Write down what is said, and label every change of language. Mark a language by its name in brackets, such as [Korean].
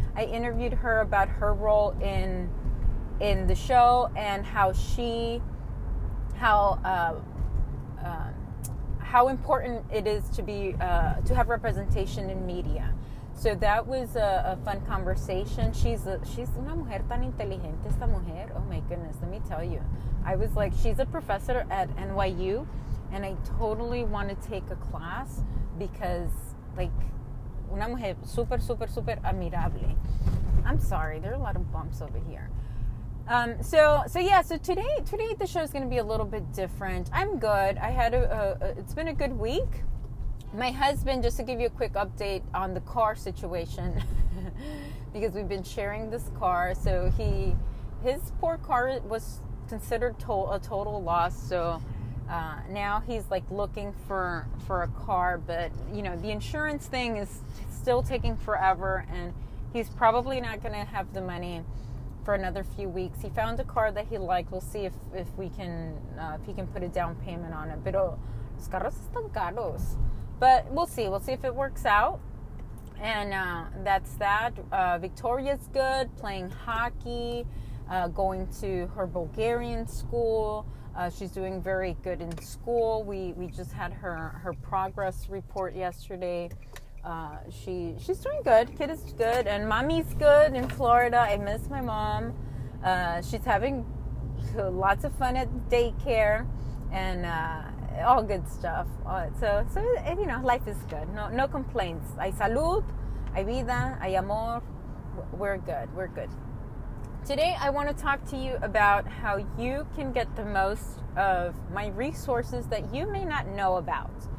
[English] I interviewed her about her role in the show and how important it is to be to have representation in media. So that was a fun conversation. [Spanish] She's una mujer tan inteligente, esta mujer. [English] Oh my goodness, let me tell you. I was like, she's a professor at NYU, and I totally want to take a class because, like, [Spanish] una mujer super, super, super admirable. [English] I'm sorry, there are a lot of bumps over here. So today the show is going to be a little bit different. I'm good. I had it's been a good week. My husband, just to give you a quick update on the car situation, because we've been sharing this car. So his poor car was considered a total loss. So, now he's like looking for a car, but you know, the insurance thing is still taking forever and he's probably not going to have the money for another few weeks. He found a car that he liked. We'll see if we can if he can put a down payment on it. [Spanish] Pero los carros están caros. [English] But we'll see. We'll see if it works out. And that's that. Victoria's good, playing hockey, going to her Bulgarian school. She's doing very good in school. We just had her progress report yesterday. She's doing good. Kid is good. And mommy's good in Florida. I miss my mom. She's having lots of fun at daycare and, all good stuff. So, you know, life is good. No complaints. [Spanish] Hay salud, hay vida, hay amor. [English] We're good. Today, I want to talk to you about how you can get the most of my resources that you may not know about.